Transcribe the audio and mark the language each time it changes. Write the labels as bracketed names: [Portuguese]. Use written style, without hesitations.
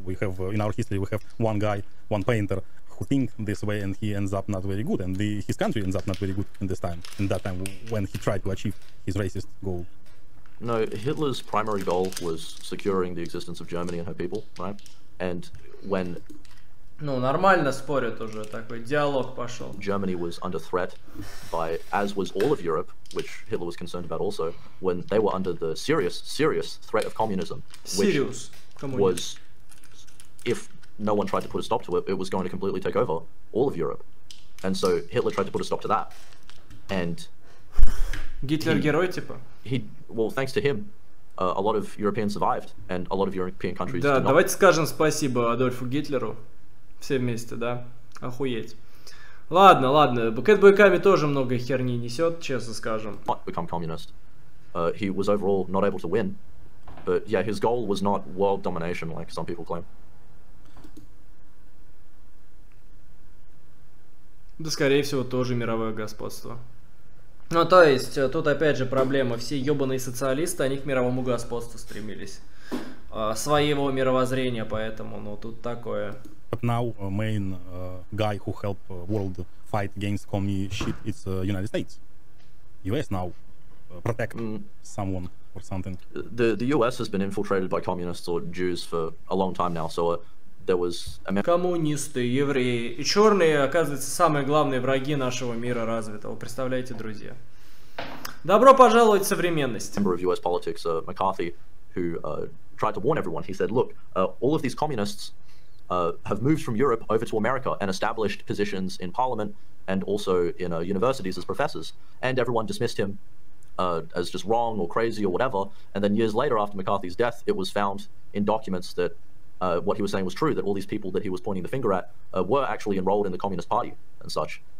[English] We have, in our history, we have one guy, one painter, who think this way and he ends up not very good. And his country ends up not very good in that time, when he tried to achieve his racist goal. No, Hitler's primary goal was securing the existence of Germany and her people, right? And when... [Russian] Ну, нормально спорят уже, такой диалог пошел. [English] Germany was under threat by, as was all of Europe, which Hitler was concerned about also, when they were under the serious, serious threat of communism. Serious. Was, if no one tried to put a stop to it, it was going to completely take over all of Europe. And so Hitler tried to put a stop to that. And... [Russian] Гитлер герой, типа? [English] Well, thanks to him. A lot of Europeans survived, and a lot of European countries [Russian] да, [English] did not. [Russian] Да, давайте скажем спасибо Адольфу Гитлеру. Все вместе, да? Охуеть. Ладно, ладно, Кэт Буйками тоже много херни несет, честно скажем. [English] Not become communist. He was overall not able to win. But yeah, his goal was not world domination, like some people claim. [Russian] Да, скорее всего, тоже мировое господство. Ну, то есть, тут опять же проблема. Все ебаные социалисты, они к мировому господству стремились. Своего мировоззрения, поэтому, ну, тут такое... [English] But now main guy who helped world fight against commie shit is United States. US now protect someone or something. The US has been infiltrated by communists or Jews for a long time now, so there was... [Russian] Коммунисты, евреи и черные, оказывается, самые главные враги нашего мира развитого. Представляете, друзья? Добро пожаловать в современность. [English] Member of US politics, McCarthy, who tried to warn everyone. He said, look, all of these communists have moved from Europe over to America and established positions in parliament and also in universities as professors. And everyone dismissed him as just wrong or crazy or whatever. And then years later, after McCarthy's death, it was found in documents that what he was saying was true, that all these people that he was pointing the finger at were actually enrolled in the Communist Party and such.